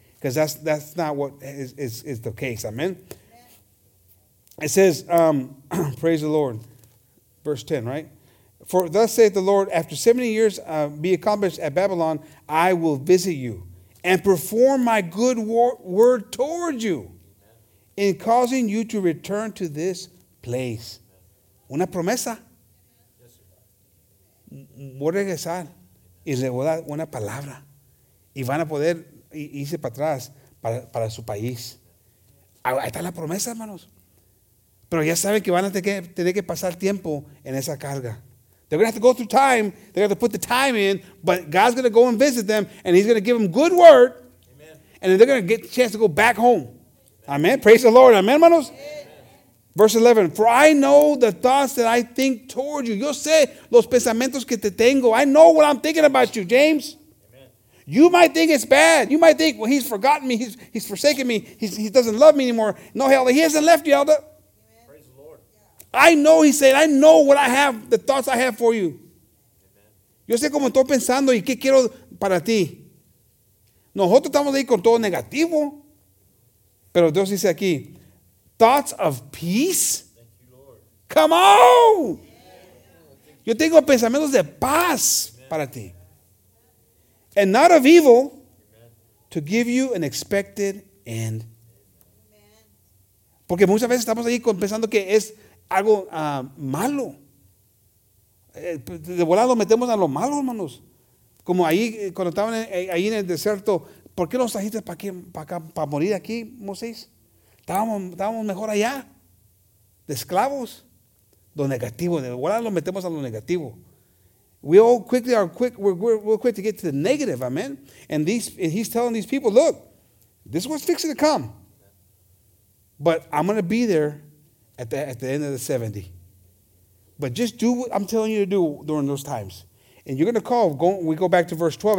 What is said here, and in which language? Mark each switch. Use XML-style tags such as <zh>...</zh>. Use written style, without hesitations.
<en>Because that's not what is the case. Amen. It says, praise the Lord. Verse 10, right? For thus saith the Lord, after 70 years be accomplished at Babylon, I will visit you and perform my good word toward you in causing you to return to this place.</en> <es>Una promesa. Voy a regresar y le voy a dar una palabra. Y van a poder irse para atrás para su país. Ahí está la promesa, hermanos. Pero ya saben que van a tener que pasar tiempo en esa carga.</es> <en>They're going to have to go through time. They're going to put the time in. But God's going to go and visit them. And he's going to give them good word. Amen. And then they're going to get the chance to go back home. Amen. Amen. Praise the Lord. Amen, hermanos. Amen. Verse 11. For I know the thoughts that I think toward you.</en> <es>Yo sé los pensamientos que te tengo.</es> <en>I know what I'm thinking about you, James. Amen. You might think it's bad. You might think, well, he's forgotten me. He's forsaken me. He doesn't love me anymore. No, Elder, he hasn't left you, Elder. I know, he said, I know what I have, the thoughts I have for you. Amen.</en> <es>Yo sé cómo estoy pensando y qué quiero para ti. Nosotros estamos ahí con todo negativo. Pero Dios dice aquí,</es> <en>thoughts of peace? Thank you, Lord. Come on! Yeah.</en> <es>Yo tengo pensamientos de paz. Amen. Para ti.</es> <en>And not of evil. Amen. To give you an expected end. Amen.</en> <es>Porque muchas veces estamos ahí pensando que es algo malo. De volada lo metemos a lo malo, hermanos. Como ahí, cuando estaban ahí en el desierto, ¿por qué nos trajiste para morir aquí, Moisés? Estábamos mejor allá, de esclavos. Lo negativo, de volada lo metemos a lo negativo.</es> <en>We all quickly are quick, we're quick to get to the negative, amen. And he's telling these people, look, this was fixing to come. But I'm going to be there at the end of the 70. But just do what I'm telling you to do during those times. And you're going to call. We go back to verse 12.</en>